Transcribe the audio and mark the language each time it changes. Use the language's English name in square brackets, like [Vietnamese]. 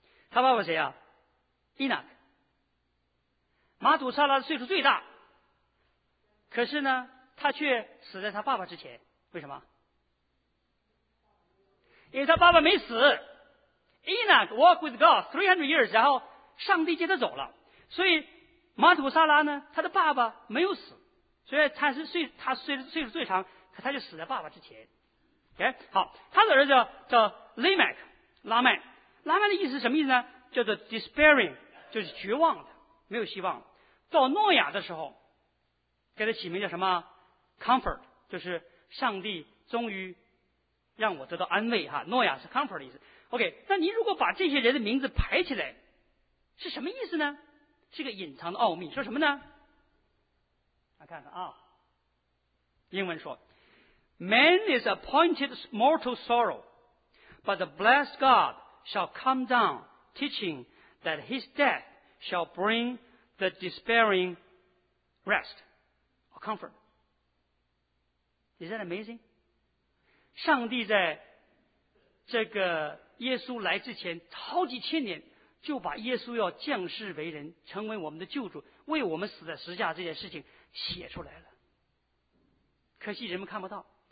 [Chinese] 他爸爸谁啊？伊纳克。马土沙拉的岁数最大，可是呢，他却死在他爸爸之前。为什么？因为他爸爸没死。 [English] Enoch walked with God 300 years， [Chinese] 然后上帝接他走了。所以马土沙拉呢，他的爸爸没有死，所以他岁数最长，可他就死在爸爸之前。 [English] Okay? [Chinese] 好，他的儿子叫 Lamech， 拉麦。拉麦的意思是什么意思呢？叫做 despairing， 就是绝望的，没有希望。到诺亚的时候给他起名叫什么？comfort， 就是上帝终于让我得到安慰哈。诺亚是 comfort 的意思。 OK， 那你如果把这些人的名字排起来是什么意思呢？是个隐藏的奥秘。说什么呢？来看看啊，英文说 [English] Man is appointed mortal sorrow， but the blessed God shall come down teaching that his death shall bring the despairing rest or comfort. Is that amazing? [Chinese] 上帝在这个耶稣来之前好几千年就把耶稣要降世为人，成为我们的救主，为我们死在十字架这件事情写出来了。可惜人们看不到。